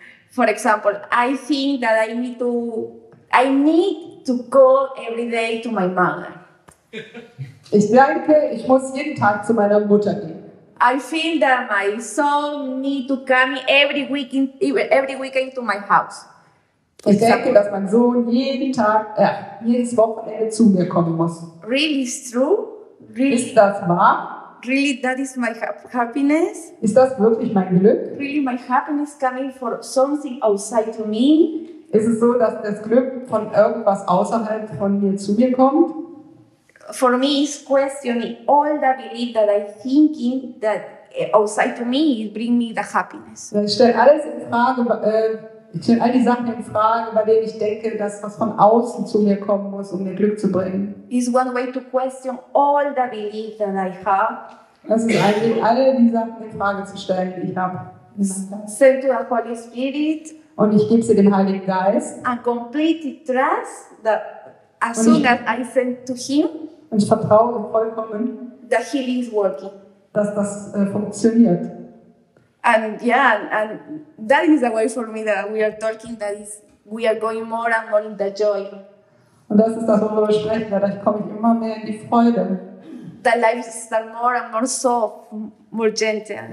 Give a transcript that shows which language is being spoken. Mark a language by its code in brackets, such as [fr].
[en] For example, I think that I need to go every day to my mother. [de] Ich denke, ich muss jeden Tag zu meiner Mutter gehen. [en] I feel that my soul need to come every weekend to my house. [de] Ich denke, dass mein Sohn jedes Wochenende zu mir kommen muss. [en] Really is true? Really? [de] Ist das wahr? [en] Really, that is my happiness. [de] Ist das wirklich mein Glück? [en] Really, my happiness coming from something outside to me. [de] Ist es so, dass das Glück von irgendwas außerhalb von mir zu mir kommt? [en] For me, it's questioning all the belief that I think in that outside to me it bring me the happiness. [de] Ich stelle alles in Frage, all die Sachen in Frage, bei denen ich denke, dass was von außen zu mir kommen muss, um mir Glück zu bringen. [en] It's one way to question all the belief that I have. [de] Das ist ein Weg, all die Sachen in Frage zu stellen, die ich habe. [en] Send to the Holy Spirit. [de] Und ich gebe sie dem Heiligen Geist. [en] And completely trust that as soon as I send to him. [de] Und ich vertraue vollkommen. [en] That healing is working. [de] Dass das funktioniert. [en] And yeah, and that is the way for me that we are talking. That is, we are going more and more in the joy. [de] Und das ist das, worüber wir sprechen. Dadurch komme ich immer mehr in die Freude. [en] That life is more and more soft, more gentle.